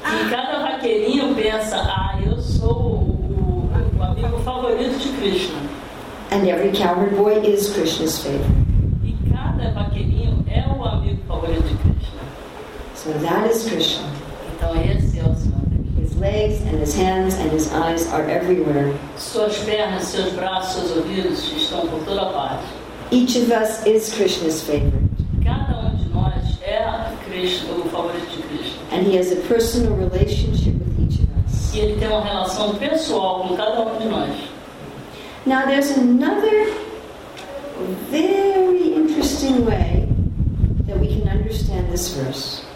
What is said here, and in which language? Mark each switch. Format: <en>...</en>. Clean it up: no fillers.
<pt>E cada vaqueirinho pensa, eu sou o amigo favorito de Krishna.</pt> <en>And every cowherd boy is Krishna's favorite.</en> <pt>E cada vaqueirinho é o amigo favorito de Krishna.</pt> <en>So that is Krishna.</en> <pt>Então esse é o Senhor.</pt> <en>Legs and his hands and his eyes are everywhere.</en> <pt>Suas pernas, seus braços, seus ouvidos estão por toda parte.</pt> <en>Each of us is Krishna's favorite.</en> <pt>Cada de nós é Krishna, o favorito de Krishna.</pt> <en>And he has a personal relationship with each of us.</en> <pt>E ele tem uma relação pessoal com cada de nós.</pt> <en>Now there's another very interesting way that we can understand this verse.</en>